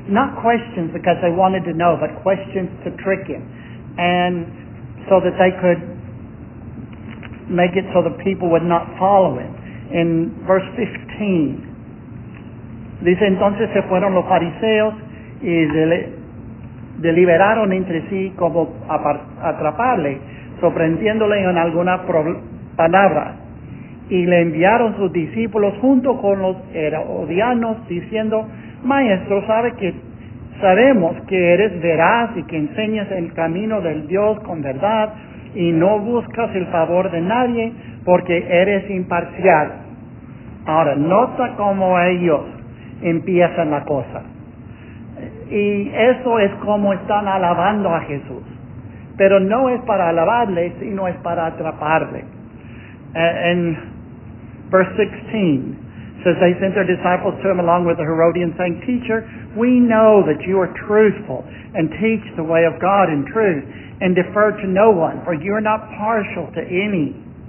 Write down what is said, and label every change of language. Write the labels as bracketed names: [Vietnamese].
[English] Not questions because they wanted to know, but questions to trick him. And so that they could make it so the people would not follow him. [Spanish] En verse 15, dice, entonces se fueron los fariseos y deliberaron entre sí como atraparle, sorprendiéndole en alguna palabra. Y le enviaron sus discípulos junto con los herodianos, diciendo, Maestro, sabemos que eres veraz y que enseñas el camino del Dios con verdad y no buscas el favor de nadie porque eres imparcial. Ahora, nota cómo ellos empiezan la cosa. Y eso es como están alabando a Jesús. Pero no es para alabarle, sino es para atraparle. [English] En verse 16, says, they sent their disciples to him along with the Herodians, saying, Teacher, we know that you are truthful and teach the way of God in truth, and defer to no one, for you are not partial to any.